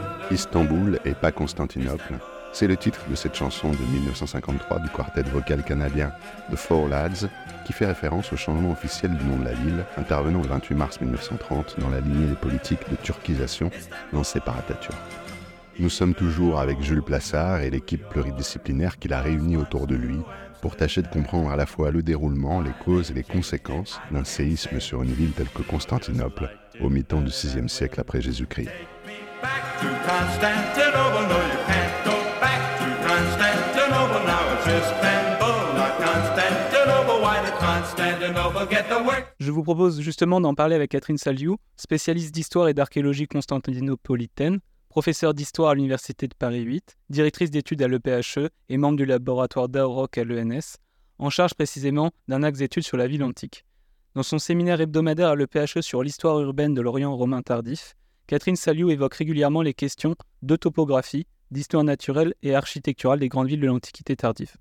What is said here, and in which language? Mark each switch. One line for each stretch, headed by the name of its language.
French: Istanbul et pas Constantinople, c'est le titre de cette chanson de 1953 du quartet vocal canadien The Four Lads, qui fait référence au changement officiel du nom de la ville, intervenant le 28 mars 1930 dans la lignée des politiques de turquisation lancée par Atatürk. Nous sommes toujours avec Jules Plassard et l'équipe pluridisciplinaire qu'il a réunie autour de lui pour tâcher de comprendre à la fois le déroulement, les causes et les conséquences d'un séisme sur une ville telle que Constantinople au mi-temps du VIe siècle après Jésus-Christ.
English: Constantinople, no, you can't go back to Constantinople. Now it's Istanbul, not Constantinople. Why did Constantinople get the work?
French: Je vous propose justement d'en parler avec Catherine Saliou, spécialiste d'histoire et d'archéologie constantinopolitaine, professeure d'histoire à l'Université de Paris 8, directrice d'études à l'EPHE et membre du laboratoire d'Auroch à l'ENS, en charge précisément d'un axe d'études sur la ville antique. Dans son séminaire hebdomadaire à l'EPHE sur l'histoire urbaine de l'Orient romain tardif, Catherine Saliou évoque régulièrement les questions de topographie, d'histoire naturelle et architecturale des grandes villes de l'Antiquité tardive.